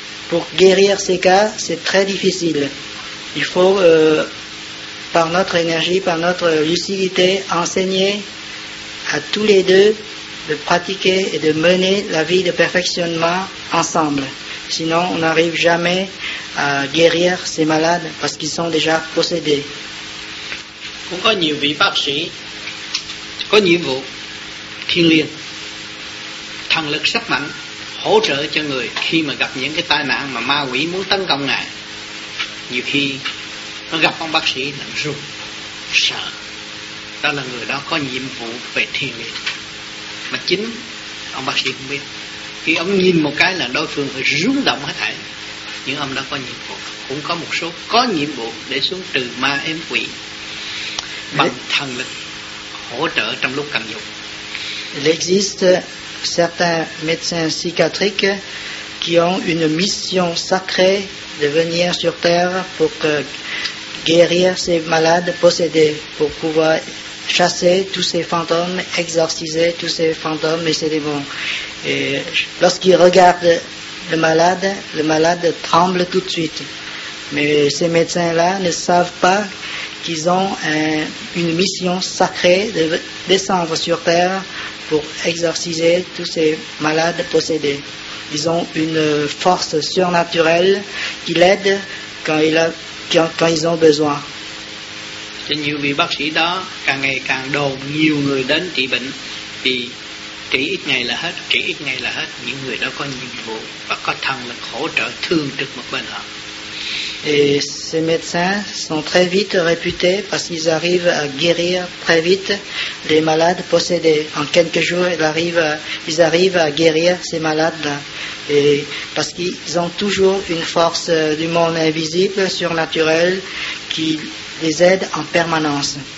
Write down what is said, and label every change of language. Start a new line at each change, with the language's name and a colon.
French: Pour guérir ces cas, c'est très difficile. Il faut, par notre énergie, par notre lucidité, enseigner à tous les deux de pratiquer et de mener la vie de perfectionnement ensemble. Sinon, on n'arrive jamais à guérir ces malades parce qu'ils sont déjà possédés.
Vietnamese: Cũng có nhiều vị bác sĩ có nhiệm vụ thiêng liêng, thần lực sức mạnh hỗ trợ cho người khi mà gặp những cái tai nạn mà ma quỷ muốn tấn công ngài. Nhiều khi nó gặp ông bác sĩ là run sợ. Đó là người đó có nhiệm vụ về thiêng liêng. Mà chính ông bác sĩ không biết. Khi ông nhìn một cái là đối phương phải rung động hết thảy. Nhưng ông đã có nhiệm vụ. Cũng có một số có nhiệm vụ để xuống trừ ma êm quỷ bằng thần lực hỗ trợ trong lúc cần dùng.
French: Il existe certains médecins psychiatriques qui ont une mission sacrée de venir sur terre pour guérir ces malades possédés, pour pouvoir chasser tous ces fantômes, exorciser tous ces fantômes et ces démons. Et lorsqu'ils regardent le malade tremble tout de suite. Mais ces médecins-là ne savent pas qu'ils ont une mission sacrée de descendre sur terre pour exorciser tous ces malades possédés. Ils ont une force surnaturelle qui l'aide quand ils ont besoin.
Vietnamese: Cho nhiều vị bác sĩ đó càng ngày càng đồn nhiều người đến trị bệnh thì trị ít ngày là hết, trị ít ngày là hết. Những người đó có nhiệm vụ và có thần lực hỗ trợ thường trực một bên họ.
French: Et ces médecins sont très vite réputés parce qu'ils arrivent à guérir très vite les malades possédés. En quelques jours, ils arrivent à guérir ces malades-là. Et parce qu'ils ont toujours une force du monde invisible, surnaturelle, qui les aide en permanence.